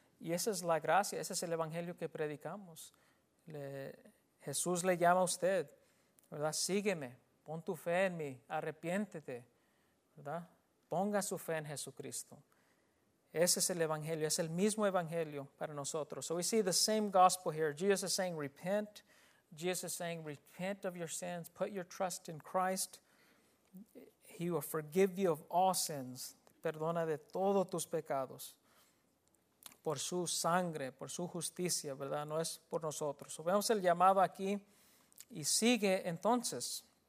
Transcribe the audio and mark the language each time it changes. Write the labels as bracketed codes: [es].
[es] Y esa es la gracia, ese es el evangelio que predicamos. Jesús le llama a usted, ¿verdad? Sígueme. Pon tu fe en mí, arrepiéntete, ¿verdad? Ponga su fe en Jesucristo. Ese es el evangelio, es el mismo evangelio para nosotros. [en] So we see the same gospel here. Jesus is saying, repent. Jesus is saying, repent of your sins. Put your trust in Christ. He will forgive you of all sins. [es] Perdona de todos tus pecados. Por su sangre, por su justicia, ¿verdad? No es por nosotros. So vemos el llamado aquí y sigue entonces.